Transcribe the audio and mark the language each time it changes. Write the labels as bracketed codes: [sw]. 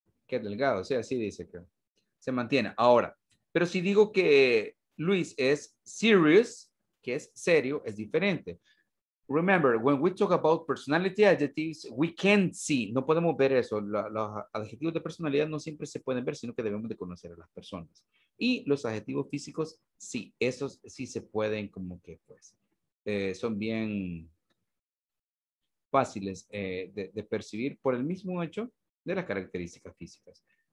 [es] Que delgado, sí, así dice que se mantiene. Ahora, pero si digo que Luis es serious, que es serio, es diferente. [en] Remember, when we talk about personality adjectives, we can't see. [es] No podemos ver eso. Los adjetivos de personalidad no siempre se pueden ver, sino que debemos de conocer a las personas. Y los adjetivos físicos, sí, esos sí se pueden como que, pues, son bien fáciles de percibir por el mismo hecho de las características físicas.